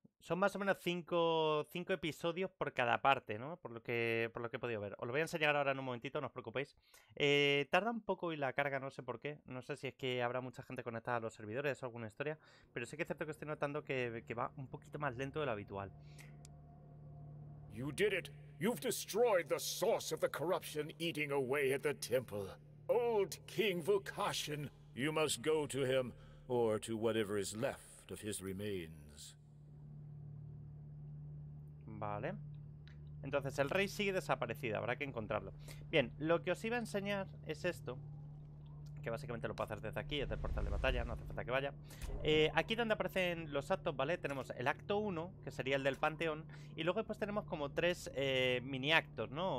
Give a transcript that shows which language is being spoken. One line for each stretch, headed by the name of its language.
Spanish: Son más o menos cinco episodios por cada parte, ¿no? Por lo que he podido ver. Os lo voy a enseñar ahora en un momentito, no os preocupéis. Tarda un poco y la carga, no sé por qué. No sé si es que habrá mucha gente conectada a los servidores o alguna historia. Pero sí que es cierto que estoy notando que va un poquito más lento de lo habitual.
English: You did it. You've destroyed the source of the corruption eating away at the temple. Old King Vukashin. You must go to him, or to whatever is left of his remains.
Spanish: Vale. Entonces, el rey sigue desaparecido. Habrá que encontrarlo. Bien, lo que os iba a enseñar es esto. Que básicamente lo puedo hacer desde aquí, desde el portal de batalla. No hace falta que vaya. Aquí donde aparecen los actos, ¿vale? Tenemos el acto 1, que sería el del panteón. Y luego después tenemos como tres mini actos, ¿no?